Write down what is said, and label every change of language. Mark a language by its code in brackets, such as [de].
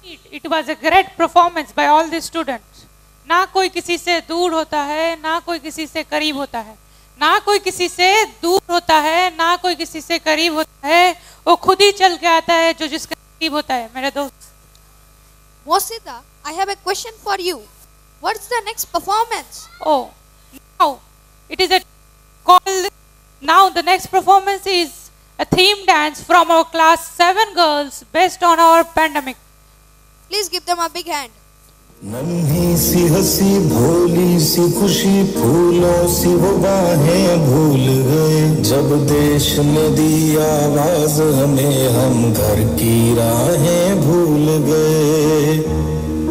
[en] It was a great performance by all the students. [hi] ना कोई किसी से दूर होता है ना कोई किसी से करीब होता है ना कोई किसी से दूर होता है ना कोई किसी से करीब होता है वो खुद ही चल के आता है जो जिसके करीब होता है मेरे दोस्त [en] Wasita, I have a question for you. What's the next performance? Oh, now it is a called. Now the next performance is a theme dance from our class 7 girls based on our pandemic. Please give them a big hand. [hi] नन्ही सी हसी भोली सी खुशी फूलों सी वो बाहें भूल गए जब देश में दी आवाज हमें हम घर की राहें भूल गए